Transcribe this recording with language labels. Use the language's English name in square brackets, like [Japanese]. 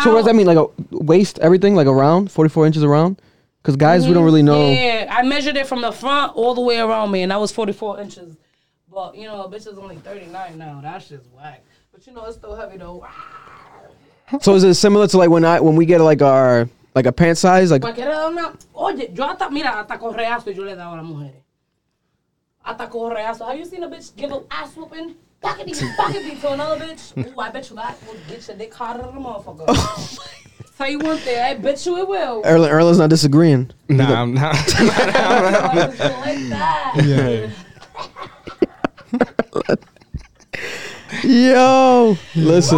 [English] So what does that mean? Like a waist, everything, like around, 44 inches around? Because guys, we don't really know. Yeah, I measured it from the front all the way around me, and that was 44 inches. But, you know, a bitch is only 39 now. That shit's whack. But, you know, it's still heavy, though. So is it similar to like when we get like our like a pant size like? [Spanish] Oye, yo hasta mira hasta correazo yo le daba a las mujeres. Hasta correazo. [English] Have you seen a bitch give a ass whooping? Pocket me to another bitch. Ooh, I bet you that will get your dick hotter than a motherfucker. How you want that? I bet you it will. Erlen's not disagreeing. Nah, either. I'm not. Not like that. Yeah. Yo, listen.